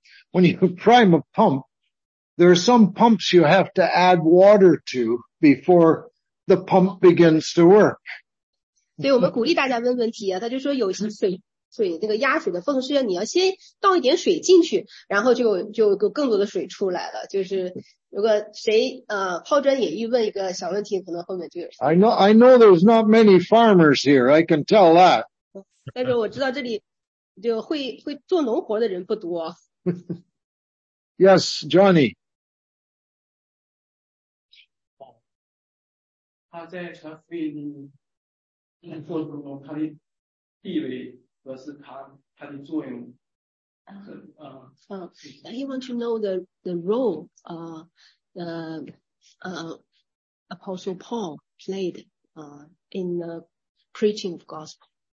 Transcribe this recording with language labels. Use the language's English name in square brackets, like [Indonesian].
[English] When you prime a pump, there are some pumps you have to add water to before the pump begins to work. [Chinese] 对，我们鼓励大家问问题啊，他就说有些水那个压水的泵是要你要先倒一点水进去，然后就有更多的水出来了，就是。如果谁抛砖引玉问一个小问题，可能后面就有。 [English] I know there's not many farmers here. I can tell that. [Chinese] 但是我知道这里就会做农活的人不多。 [English] Yes, Johnny. [Chinese] 他在传福音过程中，他的地位和是他的作用。 [English] He wants to know the role Apostle Paul played in the preaching of gospel.